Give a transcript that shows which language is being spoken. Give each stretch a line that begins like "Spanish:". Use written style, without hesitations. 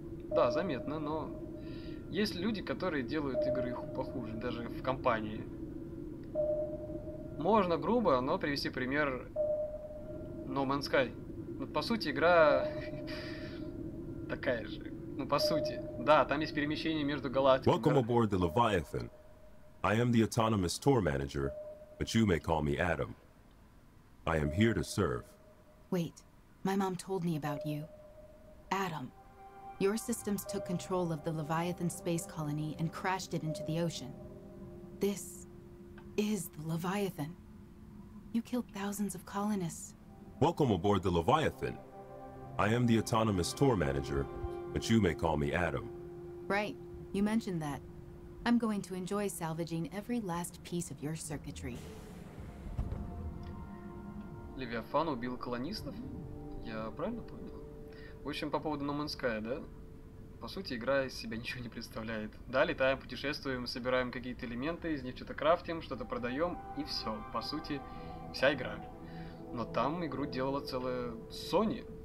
Russian: Да, заметно, но есть люди, которые делают игры похуже, даже в компании. Можно грубо, но привести пример No Man's Sky. Ну, по сути, игра такая же. Ну, по сути. Да, там есть перемещение между галактиками.
English: Welcome aboard the Leviathan. I am the autonomous tour manager, but you may call me Adam. I am here to serve. Wait, my mom told me about you. Adam, your systems took control of the Leviathan space colony and crashed it into the ocean. This is the Leviathan. You killed thousands of colonists. Welcome aboard the Leviathan. I am the autonomous tour manager, but you may call me Adam. Right, you mentioned that. I'm going to enjoy salvaging every last piece of your circuitry.
Russian: Левиафан убил колонистов? Я правильно понял? В общем, по поводу No Man's Sky, да? По сути, игра из себя ничего не представляет. Да, летаем, путешествуем, собираем какие-то элементы, из них что-то крафтим, что-то продаем, и все. По сути, вся игра. Но там игру делала целая Sony.